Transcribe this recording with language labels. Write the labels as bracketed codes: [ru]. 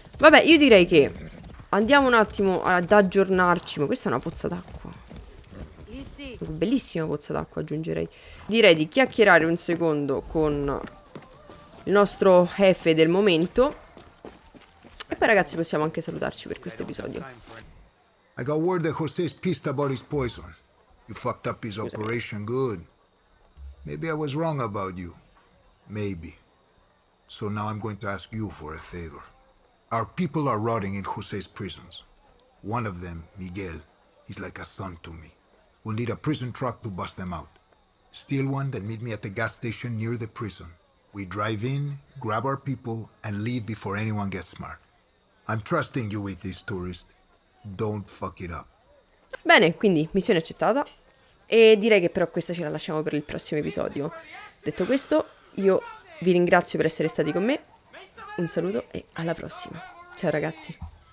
[it] Vabbè, io direi che andiamo un attimo ad aggiornarci. Ma questa è una pozza d'acqua. Bellissima pozza d'acqua, aggiungerei. Direi di chiacchierare un secondo con il nostro jefe del momento. E poi, ragazzi, possiamo anche salutarci per questo episodio. [en] I got word that Jose's pissed about his poison. You fucked up his operation good. Maybe I was wrong about you. Maybe. So now I'm going to ask you for a favor. Our people are rotting in Jose's prisons. One of them, Miguel, he's like a son to me. We'll need a prison truck to bust them out. Steal one, then meet me at the gas station near the prison. We drive in, grab our people, and leave before anyone gets smart. I'm trusting you with this, tourist. Don't fuck it up. [it] Bene, quindi, missione accettata. E direi che però questa ce la lasciamo per il prossimo episodio. Detto questo, io vi ringrazio per essere stati con me. Un saluto e alla prossima. Ciao ragazzi.